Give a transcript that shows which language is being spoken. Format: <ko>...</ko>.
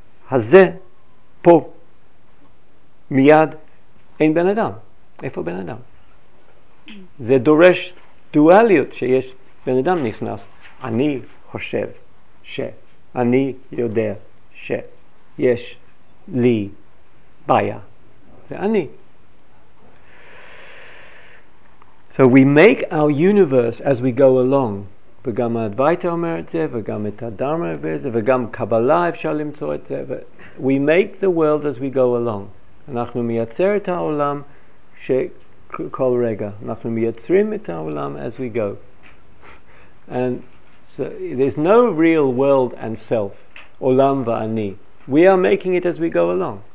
<he>הזה פה מיד אין בן אדם. איפה בן אדם? זה דורש דואליות שיש בן אדם נכנס. אני חושב ש, אני יודע שיש לי בעיה. זה אני.</he> <en>So we make our universe as we go along.</en> <he>וגם האדווייטה אומר את זה, וגם את הדרמה אומר את זה, וגם קבלה אפשר למצוא את זה.</he> <en>We make the world as we go along.</en> <he>אנחנו מייצר את העולם שכל רגע. אנחנו מייצרים את העולם</he> <en>as we go. And so there's no real world and self.</en> <he>עולם ואני.</he> <en>We are making it as we go along.</en>